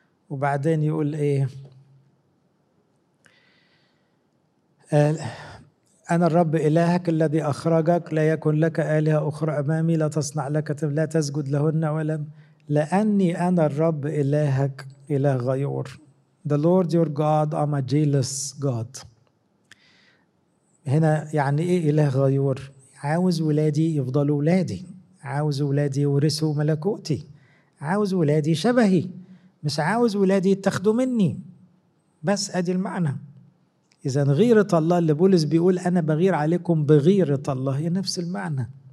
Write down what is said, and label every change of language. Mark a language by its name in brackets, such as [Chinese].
[Arabic] وبعدين يقول إيه؟ أنا الرب إلهك الذي أخرجك، لا يكن لك آلهة أخرى أمامي، لا تصنع لك، لا تسجد لهن ولا. لأني أنا الرب إلهك إله غيور. [English] The Lord your God, I'm a jealous God. [Arabic] هنا يعني إيه إله غيور؟ عاوز ولادي يفضلوا ولادي، عاوز ولادي يورثوا ملكوتي، عاوز ولادي شبهي، مش عاوز ولادي يتخذوا مني. بس أدي المعنى. إذن غيرة الله اللي بولس بيقول أنا بغير عليكم بغيرة الله، هي نفس المعنى.